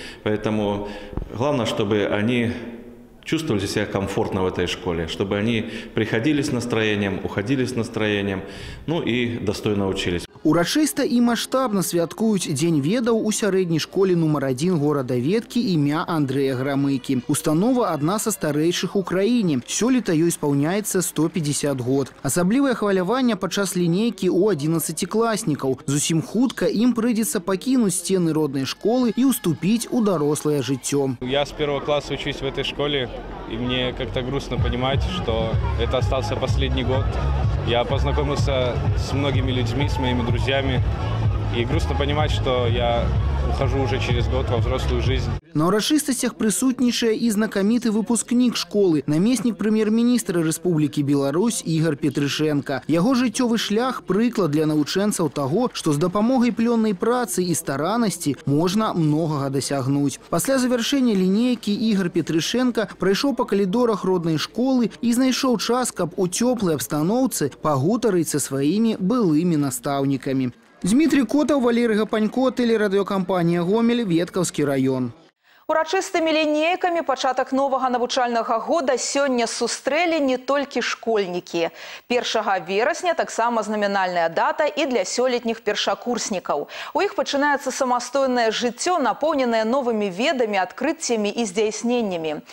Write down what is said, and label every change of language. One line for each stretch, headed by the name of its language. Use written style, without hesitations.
Russian: Поэтому главное, чтобы они чувствовали себя комфортно в этой школе, чтобы они приходили с настроением, уходили с настроением, ну и достойно учились.
Belarusian: Урачыста і маштабна святкуюць дзень ведаў у сярэдняй школе нумар 1 горада Веткі імя Андрэя Грамыкі. Установа адна са старэйшых у краіне. Сёлета ёй спаўняецца 150 год. Асаблівае хваляванне падчас лінейкі ў 11-класнікаў. Зусім хутка ім прыйдзецца пакінуць сцены роднай школы і ўступіць у дарослае жыццё.
Russian: Я
Belarusian: з 1 класу вучусь
Russian: в этой школе, і мне как-то грустно понимать, что это остался последний год. Я познакомился с многими людьми, с моими друзьями. И грустно понимать, что я ухожу уже через год во взрослую жизнь.
Belarusian: На урачыстасцях прысутнічае і знакаміты выпускнік школы, намеснік прэм'ер-міністра Рэспублікі Беларусь Ігар Петрышенка. Яго жыццёвы шлях – прыклад для навучэнцаў таго, што з дапамогай плённай працы і старанасці можна многага дасягнуць. Пасля завершэння лінейкі Ігар Петрышенка прайшоў па калідорах роднай школы і знайшоў час, каб у тёплай абстаноўцы пагутарыць са сваімі былымі настаўнікамі.
Russian: Дмітрий Котов, Валерий Гапанько, телерадиокомпания «Гомель», Ветковский район.
Belarusian: Урачыстымі лінейкамі пачатак новага навучальнага года сёння сустрэлі не толькі школьнікі. 1 верасня таксама знаменальная дата і для сёлетніх першакурснікаў. У іх пачынаецца самастойнае жыццё, напоўненае новымі ведамі, адкрыццямі і здзяйсненнямі.